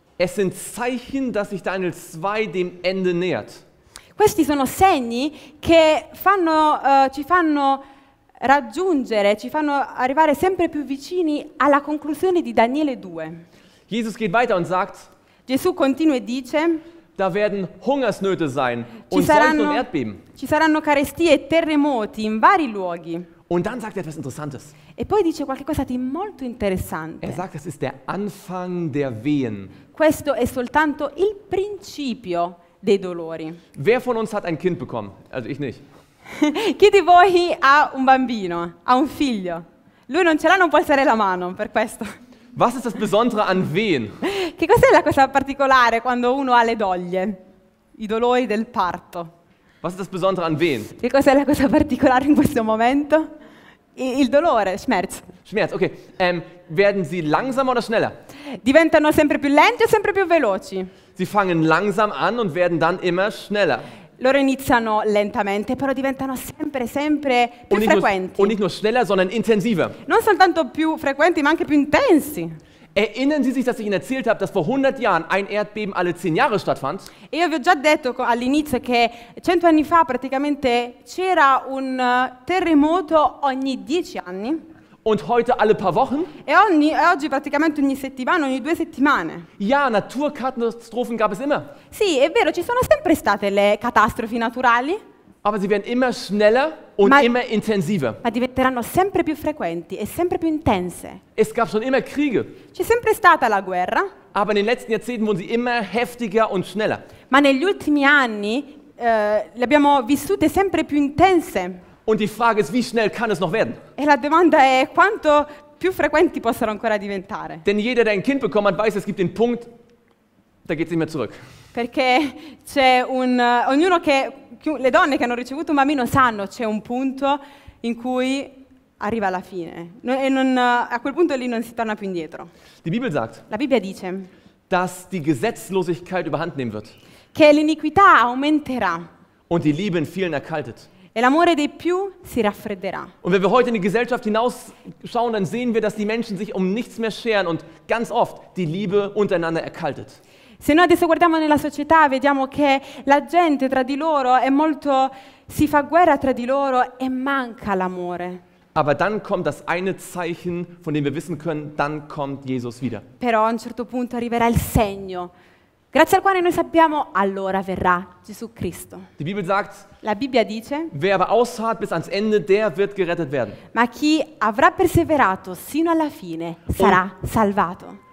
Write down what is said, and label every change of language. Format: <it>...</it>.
<de>Es sind Zeichen, dass sich Daniel 2 dem Ende nähert.</de> <it>Questi sono segni che fanno, ci fanno raggiungere, ci fanno arrivare sempre più vicini alla conclusione di Daniele 2.</it> <de>Jesus geht weiter und sagt,</de> <it>Gesù continua e dice,</it> <de>da werden Hungersnöte sein und Seuchen und Erdbeben.</de> <it>Ci saranno carestie e terremoti in vari luoghi.</it> <de>Und dann sagt er etwas Interessantes.</de> <it>E poi dice qualcosa di molto interessante.</it> <de>Er sagt, das ist der Anfang der Wehen.</de> <it>Questo è soltanto il principio dei dolori.</it> <de>Wer von uns hat ein Kind bekommen? Also ich nicht.</de> <it>Chi di voi ha un bambino, ha un figlio? Lui non ce l'ha, non può alzare la mano per questo.</it> <de>Was ist das Besondere an Wehen?</de> <it>Che cos'è la cosa particolare quando uno ha le doglie? I dolori del parto.</it> <de>Was ist das Besondere an Wehen?</de> <it>Che cos'è la cosa particolare in questo momento? Il dolore,</it> <de>Schmerz. Schmerz, okay. Werden sie langsamer oder schneller?</de> <it>Diventano sempre più lenti o sempre più veloci?</it> <de>Sie fangen langsam an und werden dann immer schneller.</de> <it>Loro iniziano lentamente, però diventano sempre, sempre più frequenti.</it> <de>Und nicht nur schneller, sondern intensiver.</de> <it>Non soltanto più frequenti, ma anche più intensi.</it> <de>Erinnern Sie sich, dass ich Ihnen erzählt habe, dass vor 100 Jahren ein Erdbeben alle 10 Jahre stattfand?</de> <it>Io vi ho già detto all'inizio che 100 anni fa praticamente c'era un terremoto ogni 10 anni.</it> <de>Und heute alle paar Wochen?</de> <it>E oggi praticamente ogni settimana, ogni due settimane.</it> <de>Ja, Naturkatastrophen gab es immer.</de> <it>Sì, è vero, ci sono sempre state le catastrofi naturali.</it> <de>Aber sie werden immer schneller und immer intensiver.</de> <it>Ma diventeranno sempre più frequenti e sempre più intense.</it> <de>Es gab schon immer Kriege.</de> <it>C'è sempre stata la guerra.</it> <de>Aber in den letzten Jahrzehnten wurden sie immer heftiger und schneller.</de> <it>Ma negli ultimi anni le abbiamo vissute sempre più intense.</it> <de>Und die Frage ist, wie schnell kann es noch werden?</de> <it>E la domanda è quanto più frequenti possono ancora diventare.</it> <de>Denn jeder, der ein Kind bekommen hat, weiß, es gibt den Punkt, da geht es nicht mehr zurück.</de> <it>Perché c'è un ognuno che le donne che hanno ricevuto un bambino sanno c'è un punto in cui arriva la fine e non, a quel punto lì non si torna più indietro.</it> <de>Die Bibel sagt,</de> <it>la Bibbia dice</it> <de>dass die Gesetzlosigkeit überhand nehmen wird.</de> <it>che l'iniquità aumenterà.</it> <de>Und die Liebe in vielen erkaltet.</de> <it>E l'amore dei più si raffredderà.</it> <de>Und wenn wir heute in die Gesellschaft hinausschauen, dann sehen wir, dass die Menschen sich um nichts mehr scheren und ganz oft die Liebe untereinander erkaltet.</de> <it>Se noi adesso guardiamo nella società, vediamo che la gente tra di loro è molto, si fa guerra tra di loro e manca l'amore.</it> <de>Aber dann kommt das eine Zeichen, von dem wir wissen können, dann kommt Jesus wieder.</de> <it>Però a un certo punto arriverà il segno, grazie al quale noi sappiamo, allora verrà Gesù Cristo.</it> <de>Die Bibel sagt,</de> <it>la Bibbia dice,</it> <de>wer aber ausharrt bis ans Ende, der wird gerettet werden.</de> <it>Ma chi avrà perseverato sino alla fine sarà salvato.</it>